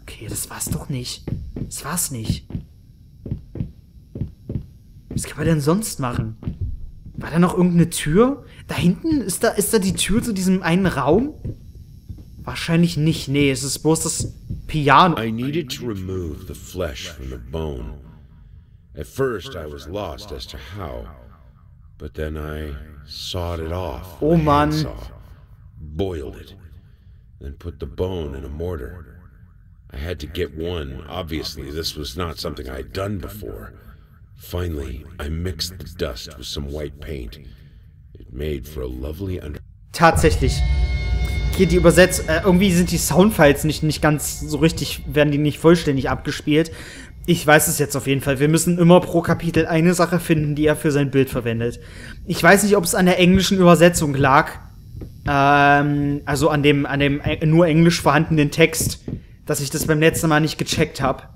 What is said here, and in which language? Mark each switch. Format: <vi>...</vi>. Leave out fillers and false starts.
<de>Okay, das war's doch nicht. Das war's nicht. Was kann man denn sonst machen? War da noch irgendeine Tür? Da hinten? Ist da die Tür zu diesem einen Raum? Wahrscheinlich nicht. Nee, es ist bloß das Piano.</de> <en>I needed to remove the flesh from the bone. At first I was lost as to how. But then I sawed it off.</en> <de>Oh Mann.</de> <en>Boiled it, then put the bone in a mortar. I had to get one. Obviously, this was not something I'd done before. Finally, I mixed the dust with some white paint. It made for a lovely under.</en> <de>Tatsächlich. Okay, die irgendwie sind die Soundfiles nicht ganz so richtig, werden die nicht vollständig abgespielt. Ich weiß es jetzt auf jeden Fall. Wir müssen immer pro Kapitel eine Sache finden, die er für sein Bild verwendet. Ich weiß nicht, ob es an der englischen Übersetzung lag. Also an dem nur englisch vorhandenen Text, dass ich das beim letzten Mal nicht gecheckt habe.</de>